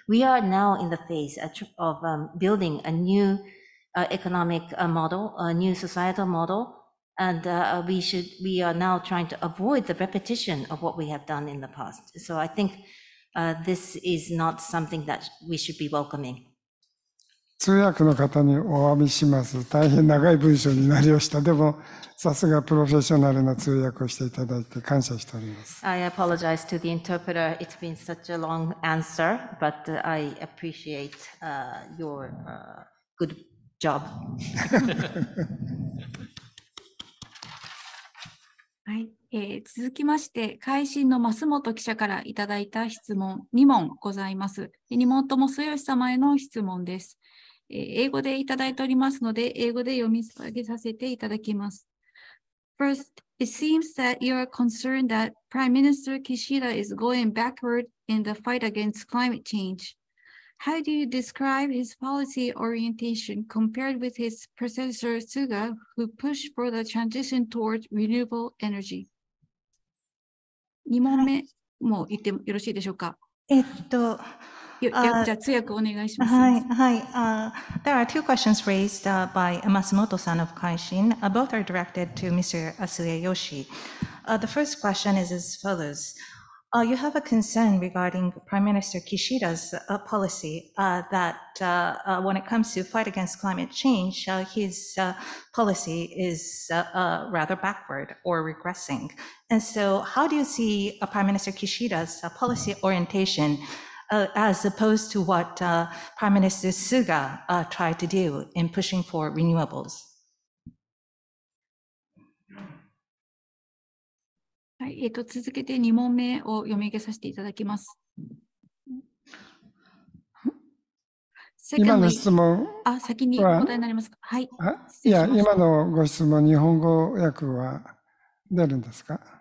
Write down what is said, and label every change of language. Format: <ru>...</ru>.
<en>We are now in the phase of building a new economic model, a new societal model, and we are now trying to avoid the repetition of what we have done in the past. So I think this is not something that we should be welcoming.</en> <ja>通訳の方にお詫びします。大変長い文章になりました。でも、さすがプロフェッショナルな通訳をしていただいて感謝しております。</ja> <en>I apologize to the interpreter. It's been such a long answer, but I appreciate your good job.</en> <ja>はい、続きまして、会心の増本記者からいただいた質問2問ございます。 2問とも末吉様への質問です。英語でいただいておりますので、英語で読み上げさせていただきます。</ja> <en>First, it seems that you are concerned that Prime Minister Kishida is going backward in the fight against climate change. How do you describe his policy orientation compared with his predecessor Suga, who pushed for the transition towards renewable energy?</en> <ja>2問目も言ってよろしいでしょうか？</ja> <en>There are two questions raised by Masumoto-san of Kaishin. Both are directed to Mr. Asuyoshi. The first question is as follows. You have a concern regarding Prime Minister Kishida's policy that when it comes to fight against climate change, his policy is rather backward or regressing. And so how do you see Prime Minister Kishida's policy orientation as opposed to what Prime Minister Suga tried to do in pushing for renewables?</en> <ja>はい、続けて2問目を読み上げさせていただきます。今の質問は、先にお答えになりますか？はい。いや、今のご質問、日本語訳は出るんですか？</ja>